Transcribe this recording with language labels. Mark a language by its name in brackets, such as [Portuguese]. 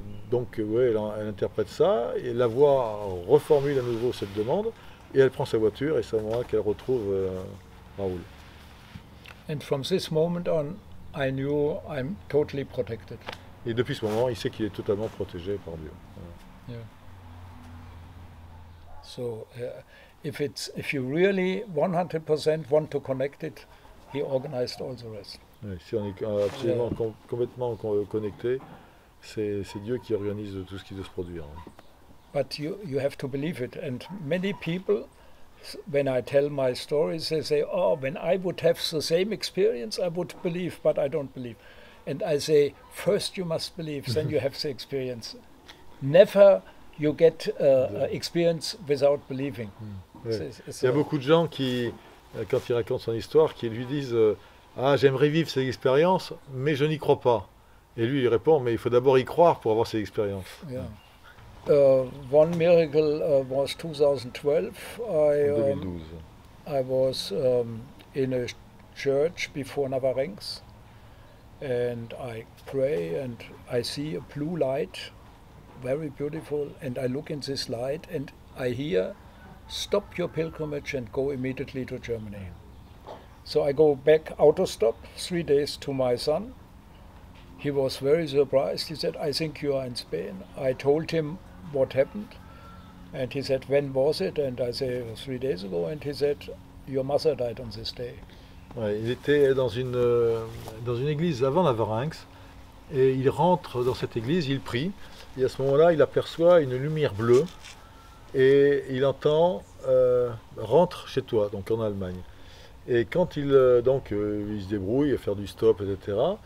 [French] Donc, ouais, elle interprète ça, et la voix reformule à nouveau cette demande, et elle prend sa voiture, et c'est à ce moment-là qu'elle retrouve Raoul. [English] And from this moment on, I knew I'm totally protected. [French] Et depuis ce moment, il sait qu'il est totalement protégé par Dieu. [English] Yeah. So, if you really 100% want to connect it, he organized all the rest. [French] Ouais, si on est absolument complètement connecté, c'est Dieu qui organise tout ce qui doit se produire. [English] But you have to believe it. And many people, when I tell my stories, they say, "Oh, when I would have the same experience, I would believe, but I don't believe." And I say, "First you must believe, then you have the experience. Never you get experience without believing." [French] Ouais. Il y a beaucoup de gens qui, quand ils racontent son histoire, qui lui disent Ah, j'aimerais vivre cette expérience, mais je n'y crois pas. Et lui, il répond, mais il faut d'abord y croire pour avoir cette expérience. [English] One miracle was 2012. [French] En 2012. [English] I was in a church before Navarrenx, and I pray and I see a blue light, very beautiful, and I look in this light and I hear, stop your pilgrimage and go immediately to Germany. So I go back auto stop 3 days to my son. He was very surprised. He said, I think you are in Spain. I told him what happened, and he said, when was it? And I said, 3 days ago. And he said, your mother died on this day. [French] Ouais, il était dans une église avant Navarreins et il rentre dans cette église, il prie et à ce moment-là, il aperçoit une lumière bleue et il entend rentre chez toi, donc en Allemagne. Et quand il se débrouille à faire du stop, etc.